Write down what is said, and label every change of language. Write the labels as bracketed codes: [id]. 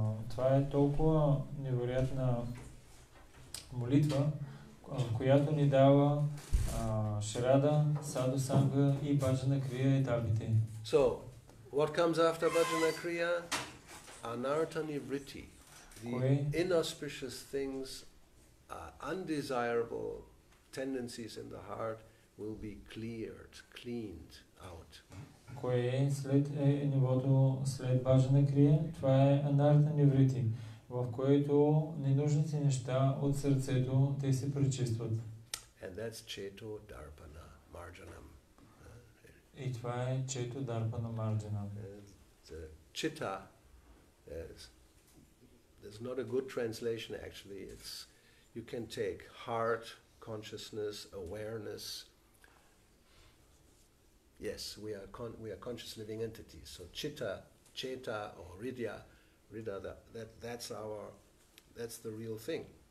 [bg] Това е толкова невероятна молитва, която ни дава Shraddha, Sadhu Sangha и Bhajana Kriya етапите. [en] So, what comes after Bhajana Kriya? Anartani Vritti. The inauspicious things, undesirable tendencies in the heart will be cleaned out. [bg] Кое е след нивото след Bhajana Kriya? Това е Anartani Vritti, в което ненужните неща от сърцето те се пречистват. [en] And that's Cheto Darpana Marjanam. [bg] И това е Чето Дарпана Марджана. [en] Чита, there's not a good translation actually. It's, you can take heart, consciousness, awareness. Yes, we are conscious living entities. So Chita, Cheta or Ridha, that's the real thing.